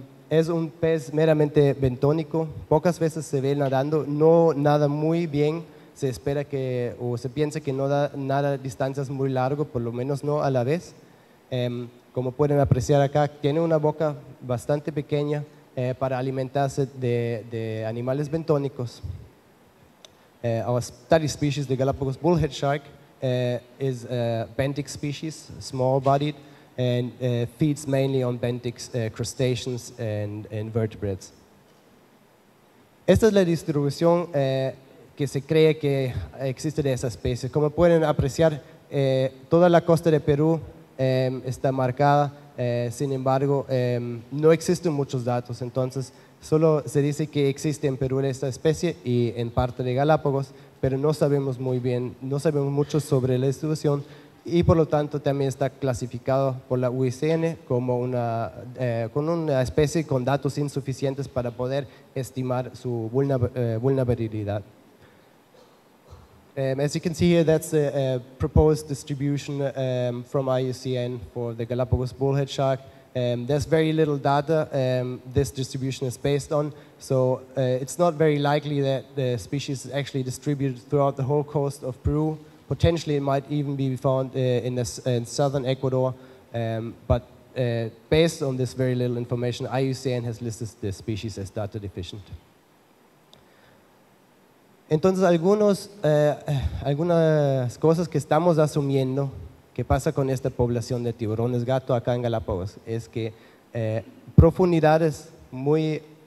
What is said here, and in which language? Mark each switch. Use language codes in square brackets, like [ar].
[es] Es un pez meramente bentónico, pocas veces se ve nadando, no nada muy bien, se espera que, o se piensa que no da nada distancias muy largo, por lo menos no a la vez. Como pueden apreciar acá, tiene una boca bastante pequeña para alimentarse de animales bentónicos. [en] Our study species, the Galapagos bullhead shark, is a benthic species, small-bodied, and feeds mainly on benthic crustaceans and invertebrates. [es] Esta es la distribución que se cree que existe de esa especie. Como pueden apreciar, toda la costa de Perú está marcada. Sin embargo, no existen muchos datos, entonces solo se dice que existe en Perú esta especie y en parte de Galápagos, pero no sabemos muy bien, no sabemos mucho sobre la distribución, y por lo tanto también está clasificado por la UICN como una especie con datos insuficientes para poder estimar su vulnerabilidad. [en] As you can see here, that's the proposed distribution from IUCN for the Galapagos bullhead shark. There's very little data this distribution is based on, so it's not very likely that the species is actually distributed throughout the whole coast of Peru. Potentially, it might even be found in southern Ecuador, but based on this very little information, IUCN has listed the species as data deficient. [es] Entonces, algunas cosas que estamos asumiendo que pasa con esta población de tiburones gato acá en Galápagos es que profundidades muy,